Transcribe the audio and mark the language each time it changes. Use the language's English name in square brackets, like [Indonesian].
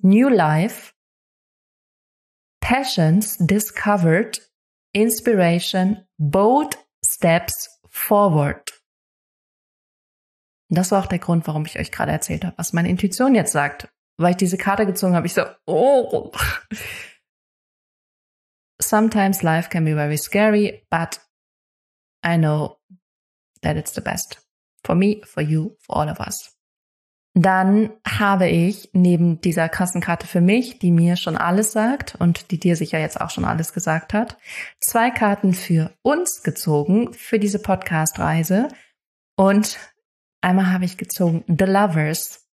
[English] New life, passions discovered, inspiration, bold steps forward. [German] Und das war auch der Grund, warum ich euch gerade erzählt habe, was meine Intuition jetzt sagt. Weil ich diese Karte gezogen habe, ich so, oh. [English] Sometimes life can be very scary, but I know that it's the best. For me, for you, for all of us. [German] Dann habe ich neben dieser krassen Karte für mich, die mir schon alles sagt und die dir sicher jetzt auch schon alles gesagt hat, 2 Karten für uns gezogen, für diese Podcast-Reise. Und einmal habe ich gezogen The Lovers.